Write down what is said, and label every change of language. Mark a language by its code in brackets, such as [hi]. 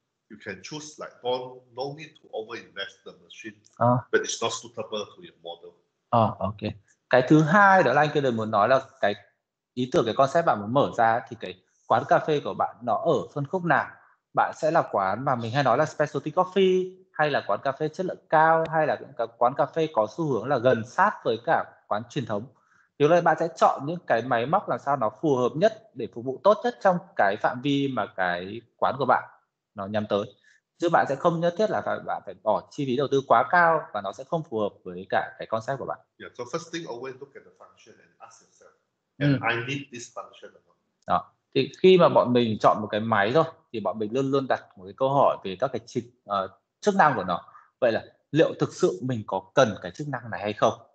[en] You can choose like no need to overinvest the machine, but it's not suitable to your model. Okay. [vi] Cái thứ hai đó là anh kia đừng muốn nói là cái ý tưởng cái concept bạn muốn mở ra thì cái quán cà phê của bạn nó ở phân khúc nào? Bạn sẽ là quán mà mình hay nói là specialty coffee hay là quán cà phê chất lượng cao hay là cái quán cà phê có xu hướng là gần sát với cả quán truyền thống? Điều này bạn sẽ chọn những cái máy móc làm sao nó phù hợp nhất để phục vụ tốt nhất trong cái phạm vi mà cái quán của bạn nó nhắm tới. Chứ bạn sẽ không nhất thiết là bạn phải bỏ chi phí đầu tư quá cao và nó sẽ không phù hợp với cả cái concept của bạn. [en] Yeah, so first thing always look at the function and ask yourself, and I need this function or not? [vi] Đó. Thì khi mà bọn mình chọn một cái máy thôi thì bọn mình luôn luôn đặt một cái câu hỏi về các cái chức năng của nó. Vậy là liệu thực sự mình có cần cái chức năng này hay không?